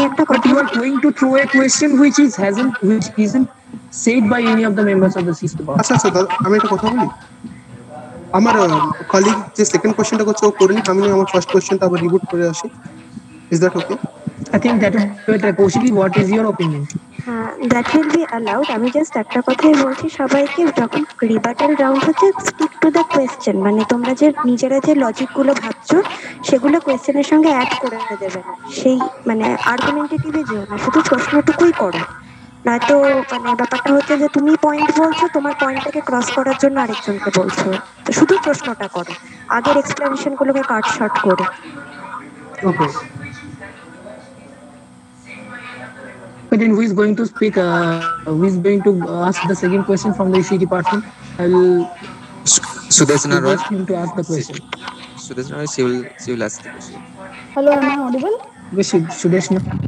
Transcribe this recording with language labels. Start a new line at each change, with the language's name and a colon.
English: But you are going to throw a question which isn't said by any of the members of the CSE department.
Bangla: আমার colleague যে second কোশ্চেনটা করছে ও করেনি, আমি আমার first কোশ্চেনটা আবার রিবুট করে আসি.
English: Is that okay? I think that is better. Kaushiki, what is your opinion? That will be allowed.
Bangla: আমি জাস্ট একটা কথাই বলছি সবাইকে, যখন রিবাটাল রাউন্ড হচ্ছে
English: stick to the question,
Bangla: মানে তোমরা যে নিজেরা যে লজিকগুলো ভাবছ সেগুলো কোয়েশ্চেনের সঙ্গে অ্যাড করে দেবে না, সেই মানে আর্গুমেন্টেটিভে যেও না, শুধু প্রশ্নটুকুই করো. নয়তো মানে ব্যাপারটা হচ্ছে যে তুমি পয়েন্ট বলছো, তোমার পয়েন্টটাকে ক্রস করার জন্য আরেকজনকে বলছো, তো শুধু প্রশ্নটা করো, আগের এক্সপ্লেনেশনগুলোকে কাট শর্ট করো.
English: But then who is going to speak, who is going to ask the second question from the ECE department? I'll Sudeshna Roy. Ask him to ask the question. Sudeshna Roy, she will ask the question. Hello, am I audible? Yes, Sudeshna.